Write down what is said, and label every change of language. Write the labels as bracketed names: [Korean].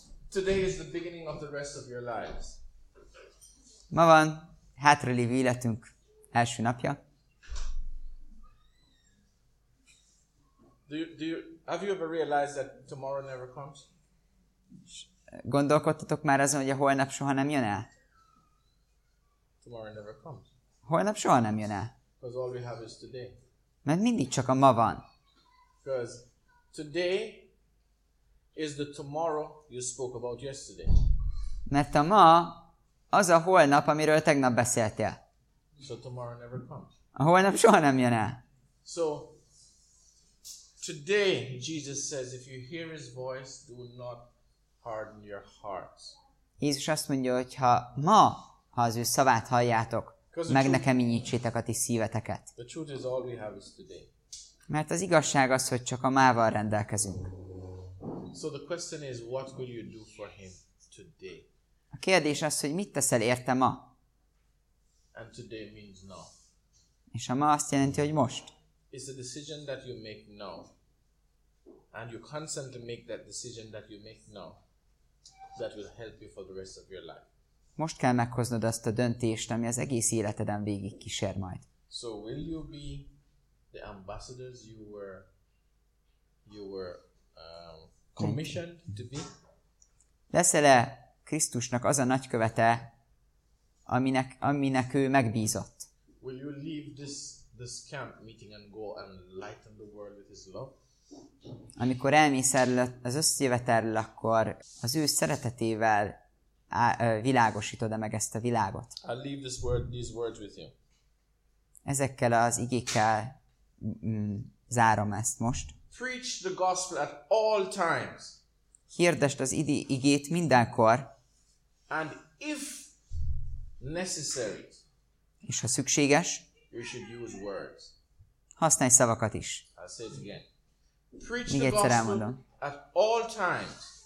[English] Today is the beginning of the rest of your lives. [Hungarian] Ma van hátralévő életünk első napja. [English] Have you ever realized that tomorrow never comes? [Hungarian] Gondolkodtatok már azon, hogy a holnap soha nem jön el? [English] Tomorrow never comes. [Hungarian] Holnap soha nem jön el. [English] Because all we have is today. [Hungarian] Mert mindig csak a ma van. [English] Because today is the tomorrow you spoke about yesterday. [Hungarian] Mert a ma az a holnap, amiről tegnap beszéltél. [English] So tomorrow never comes. [Hungarian] A holnap soha nem jön el. [English] So today Jesus says, if you hear his voice, do not harden your hearts. [Hungarian] Jézus azt mondja, hogy ha ma, ha az ő szavát halljátok, meg ne keményítsétek a ti szíveteket. [English] The truth is all we have is today. [Hungarian] Mert az igazság az, hogy csak a mával rendelkezünk. [English] So the question is, what will you do for him today? [Hungarian] A kérdés az, hogy mit teszel érte ma? [English] And today means now. [Hungarian] És a ma azt jelenti, hogy most. [English] It's the decision that you make now. And you constantly make that decision that you make now. That will help you for the rest of your life. [Hungarian] Most kell meghoznod azt a döntést, ami az egész életeden végig kísér majd. [English] So will you be the ambassadors you were commissioned to be? [Hungarian] Leszel-e Krisztusnak az a nagykövete, aminek ő megbízott? [English] Will you leave this camp meeting and go and lighten the world with his love? [Hungarian] Amikor elmész erről az összjövetelről, akkor az ő szeretetével világosítod-e meg ezt a világot? [English] I leave this word, these words with you. [Hungarian] Ezekkel az igékkel zárom ezt most. [English] Preach the gospel at all times. [Hungarian] Hirdest az igét mindenkor. [English] And if necessary. [Hungarian] És ha szükséges. [English] You should use words. [Hungarian] Használj szavakat is. [English] I'll say it again. Preach the gospel [Hungarian] elmondom. [English] At all times.